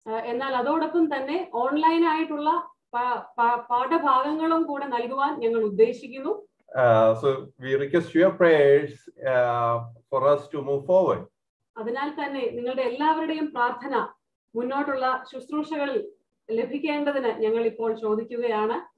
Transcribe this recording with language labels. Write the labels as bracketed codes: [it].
[ml] എന്നാൽ അതോടൊപ്പം തന്നെ ഓൺലൈൻ ആയിട്ടുള്ള പാഠഭാഗങ്ങളും കൂടെ നൽകുവാൻ ഞങ്ങൾ ഉദ്ദേശിക്കുന്നു. [en] So we request your prayers for us to move forward. [ml] അതിനാൽ തന്നെ നിങ്ങളുടെ എല്ലാവരുടെയും പ്രാർത്ഥന മുന്നോട്ടുള്ള ശുശ്രൂഷകൾ ലഭിക്കേണ്ടതിന് ഞങ്ങൾ ഇപ്പോൾ ചോദിക്കുകയാണ്.